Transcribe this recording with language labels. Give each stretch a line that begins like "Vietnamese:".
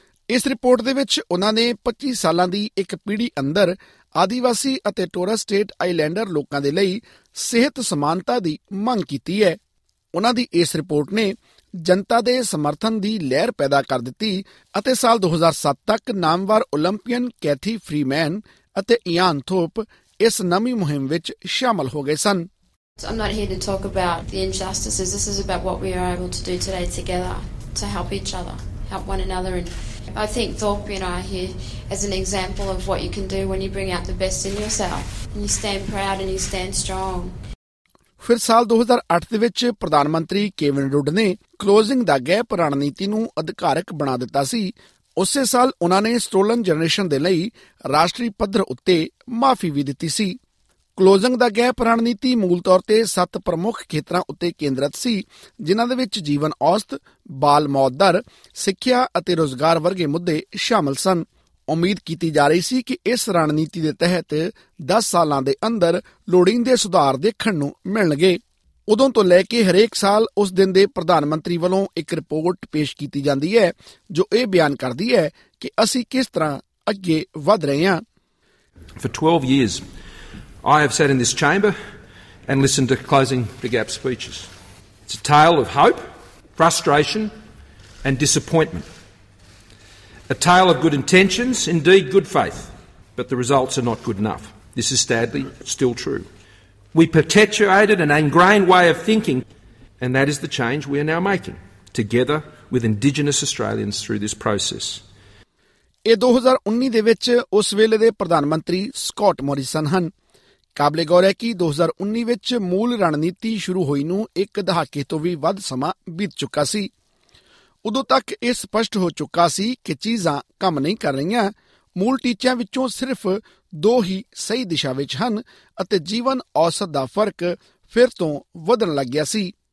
Punjabi: ਇਸ ਰਿਪੋਰਟ ਦੇ ਵਿੱਚ ਉਨ੍ਹਾਂ ਨੇ 25 ਸਾਲਾਂ ਦੀ ਇੱਕ ਪੀੜ੍ਹੀ ਅੰਦਰ ਆਦਿਵਾਸੀ ਅਤੇ ਟੋਰਸ ਸਟੇਟ ਆਈਲੈਂਡਰ ਲੋਕਾਂ ਦੇ ਲਈ ਸਿਹਤ ਸਮਾਨਤਾ ਦੀ ਮੰਗ ਕੀਤੀ ਹੈ। ਉਨ੍ਹਾਂ ਦੀ ਇਸ ਰਿਪੋਰਟ ਨੇ ਜਨਤਾ ਦੇ ਸਮਰਥਨ ਦੀ ਲਹਿਰ ਪੈਦਾ ਕਰ ਦਿੱਤੀ ਅਤੇ ਸਾਲ 2007 ਤੱਕ ਨਾਮਵਾਰ ਓਲੰਪੀਅਨ ਕੈਥੀ ਫ੍ਰੀਮੈਨ ਅਤੇ ਇਆਨ ਥੋਪ ਇਸ ਨਵੀਂ ਮੁਹਿੰਮ ਵਿੱਚ ਸ਼ਾਮਲ ਹੋ ਗਏ ਸਨ।
English: I'm not here to talk about the injustices. This is about what we are able to do today together to help each other, help one another. And I think Thorpe and I are here as an example of what you can do when you bring out the best in yourself and you stand proud and you stand strong.
Punjabi: ਫਿਰ ਸਾਲ 2008 ਦੇ ਵਿੱਚ ਪ੍ਰਧਾਨ ਮੰਤਰੀ Kevin ਰੁੱਡ ਨੇ closing ਦਾ gap ਰਣਨੀਤੀ ਨੂੰ ਅਧਿਕਾਰਕ ਬਣਾ ਦਿੱਤਾ ਸੀ। ਉਸੇ ਸਾਲ ਉਨ੍ਹਾਂ ਨੇ ਸਟੋਲਨ ਜਨਰੇਸ਼ਨ ਦੇ ਲਈ ਰਾਸ਼ਟਰੀ ਪੱਧਰ ਉੱਤੇ ਮਾਫ਼ੀ ਵੀ ਦਿੱਤੀ ਸੀ। ਕਲੋਜ਼ਿੰਗ ਦਾ ਗੈਪ ਰਣਨੀਤੀ ਮੂਲ ਤੌਰ ਤੇ 7 ਪ੍ਰਮੁੱਖ ਖੇਤਰਾਂ ਉੱਤੇ ਕੇਂਦਰਿਤ ਸੀ, ਜਿਨ੍ਹਾਂ ਦੇ ਵਿੱਚ ਜੀਵਨ ਔਸਤ, ਬਾਲ ਮੌਤ ਦਰ, ਸਿੱਖਿਆ ਅਤੇ ਰੁਜ਼ਗਾਰ ਵਰਗੇ ਮੁੱਦੇ ਸ਼ਾਮਲ ਸਨ। ਉਮੀਦ ਕੀਤੀ ਜਾ ਰਹੀ ਸੀ ਕਿ ਇਸ ਰਣਨੀਤੀ ਦੇ ਤਹਿਤ 10 ਸਾਲਾਂ ਦੇ ਅੰਦਰ ਲੋੜੀਂਦੇ ਸੁਧਾਰ ਦੇਖਣ ਨੂੰ ਮਿਲਣਗੇ। ਉਦੋਂ ਤੋਂ ਲੈ ਕੇ ਹਰੇਕ ਸਾਲ ਉਸ ਦਿਨ ਦੇ ਪ੍ਰਧਾਨ ਮੰਤਰੀ ਵੱਲੋਂ ਇੱਕ ਰਿਪੋਰਟ ਪੇਸ਼ ਕੀਤੀ ਜਾਂਦੀ ਹੈ ਜੋ ਇਹ ਬਿਆਨ ਕਰਦੀ ਹੈ ਕਿ ਅਸੀਂ ਕਿਸ ਤਰ੍ਹਾਂ ਅੱਗੇ ਵਧ ਰਹੇ ਹਾਂ।
English: For 12 years I have sat in this chamber and listened to closing the gap speeches. It's a tale of hope, frustration and disappointment. A tale of good intentions, indeed good faith, but the results are not good enough. This is sadly still true. We perpetuated an ingrained way of thinking, and that is the change we are now making, together with Indigenous Australians through this process.
Punjabi: ਇਹ 2019 ਦੇ ਵਿੱਚ ਉਸ ਵੇਲੇ ਦੇ ਪ੍ਰਧਾਨ ਮੰਤਰੀ Scott Morrison ਹਨ। ਕਾਬਲੇ ਗੌਰ ਹੈ ਕਿ 2019 ਵਿੱਚ ਮੂਲ ਰਣਨੀਤੀ ਸ਼ੁਰੂ ਹੋਈ ਨੂੰ ਇੱਕ ਦਹਾਕੇ ਤੋਂ ਵੀ ਵੱਧ ਸਮਾਂ ਬੀਤ ਚੁੱਕਾ ਸੀ। ਉਦੋਂ ਤੱਕ ਇਹ ਸਪਸ਼ਟ ਹੋ ਚੁੱਕਾ ਸੀ ਕਿ ਚੀਜ਼ਾਂ ਕੰਮ ਨਹੀਂ ਕਰ ਰਹੀਆਂ, ਮੂਲ ਟੀਚਿਆਂ ਵਿੱਚੋਂ ਸਿਰਫ 2 ਹੀ ਸਹੀ ਦਿਸ਼ਾ ਵਿੱਚ ਹਨ ਅਤੇ ਜੀਵਨ ਔਸਤ ਦਾ ਫਰਕ ਫਿਰ ਤੋਂ ਵਧਣ ਲੱਗ ਗਿਆ ਸੀ।